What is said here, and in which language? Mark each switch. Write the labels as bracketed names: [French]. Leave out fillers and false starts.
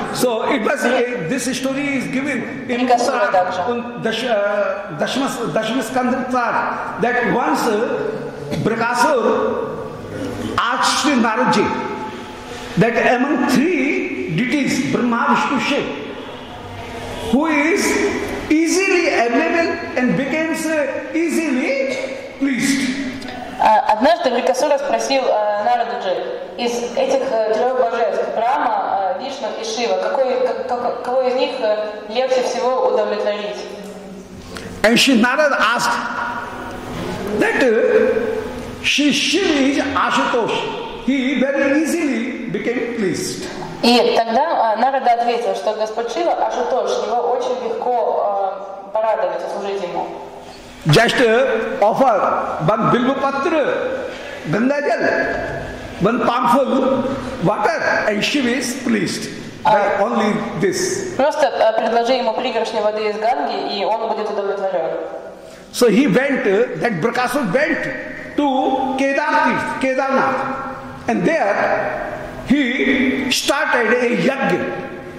[English] So it was this story is given in Dashamaskandha, that once Brakasa asked Sri Narad ji that among three deities, Brahma, Vishnu, Shiv, who is easily available and becomes easily pleased. [Russian] Однажды Брикасура спросил Нараду-джи, из этих трех божеств, Брама, Вишна и Шива, кого из них легче всего удовлетворить? [English] And she Narada asked that she Shiva is Ashutosh. He very easily became pleased. [Russian] И тогда Нарада ответил, что Господь Шива Ашутош, его очень легко порадовать, услужить ему. [English] Just offer one bilva patra, ganga jal, one palmful water, and Shiva is pleased by only this. [Russian] Просто предложи ему пригоршню воды из Ганги, и он будет удовлетворен. [English] So he went, that Brakasa went to Kedarnath, and there he started a yajna.